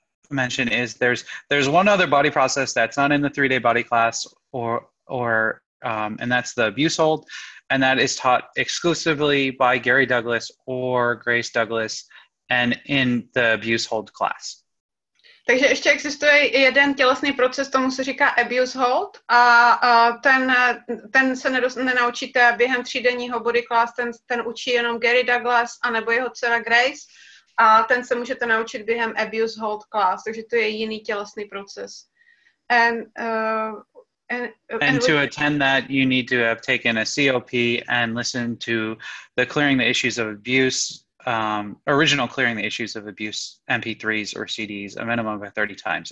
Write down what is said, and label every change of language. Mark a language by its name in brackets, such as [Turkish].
[English] mention is there's one other body process that's not in the 3-day body class or and that's the abuse hold, and that is taught exclusively by Gary Douglas or Grace Douglas and in the abuse hold class. [Czech] Takže ještě existuje jeden tělesný proces, tomu se říká abuse hold, a ten se nenaučíte během 3-denního body class, ten učí jenom Gary Douglas a nebo jeho dcera Grace. A ten se můžete naučit během abuse hold class, takže to je jiný tělesný proces. [English] Attend that, you need to have taken a COP and listen to the clearing the issues of abuse, original clearing the issues of abuse MP3s or CDs a minimum of 30 times.